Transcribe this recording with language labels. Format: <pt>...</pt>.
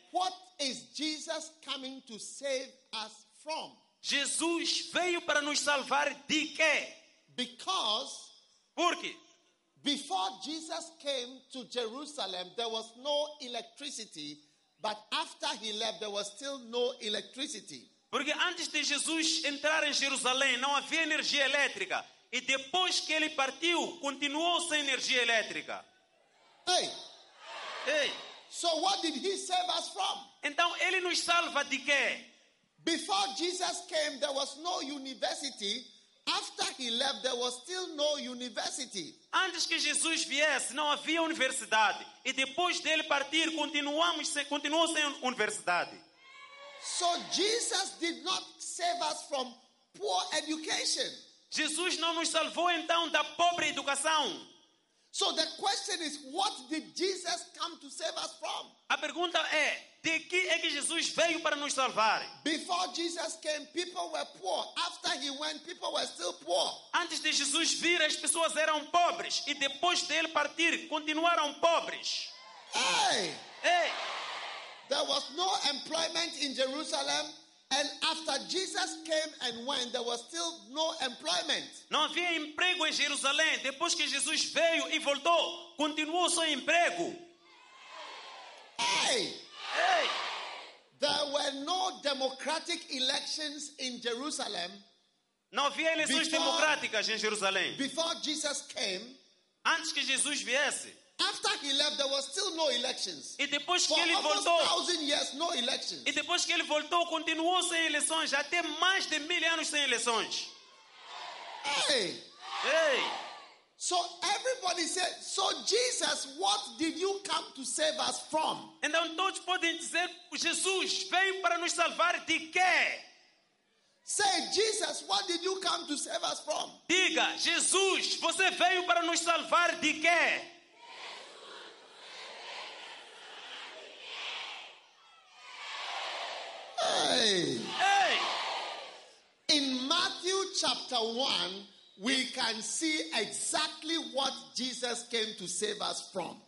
<en>what is Jesus coming to save us from?</en> <pt>Jesus veio para nos salvar de quê?</pt> <en>Because,</en> <pt>porque,</pt> <en>before Jesus came to Jerusalem, there was no electricity, but after he left, there was still no electricity.</en> <pt>Porque antes de Jesus entrar em Jerusalém, não havia energia elétrica. E depois que ele partiu, continuou sem energia elétrica.</pt> <en>Hey. Hey. So what did he save us from?</en> <pt>Então ele nos salva de quê?</pt> <en>Before Jesus came, there was no university. After he left, there was still no university.</en> <pt>Antes que Jesus viesse, não havia universidade. E depois dele partir, continuou sem universidade.</pt> <en>So Jesus did not save us from poor education.</en> <pt>Jesus não nos salvou então da pobre educação.</pt> <en>So the question is, what did Jesus come to save us from?</en> <pt>A pergunta é, de que é que Jesus veio para nos salvar?</pt> <en>Before Jesus came, people were poor. After he went, people were still poor.</en> <pt>Antes de Jesus vir, as pessoas eram pobres. E depois dele partir, continuaram pobres.</pt> <en>Hey! Hey! There was no employment in Jerusalem. And after Jesus came and went, there was still no employment.</en> <pt>Não havia emprego em Jerusalém. Depois que Jesus veio e voltou, continuou sem emprego.</pt> <en>Hey! Hey! There were no democratic elections in Jerusalem.</en> <pt>Não havia eleições democráticas em Jerusalém.</pt> <en>Before Jesus came,</en> <pt>antes que Jesus viesse.</pt> <en>After he left, there was still no elections.</en> <pt>E depois</pt> <en>for</en> <pt>que ele</pt> <en>almost</en> <pt>voltou,</pt> <en>1,000 years, no elections.</en> <pt>E depois que ele voltou, continuou sem eleições, até mais de 1,000 anos sem eleições.</pt> <en>Hey. Hey. So everybody said, so Jesus, what did you come to save us from?</en> <pt>Então todos podem dizer, Jesus veio para nos salvar de quê?</pt> <en>Say, Jesus, what did you come to save us from?</en> <pt>Diga, Jesus, você veio para nos salvar de quê?</pt> <en>Hey. Hey. In Matthew chapter 1, we can see exactly what Jesus came to save us from.</en>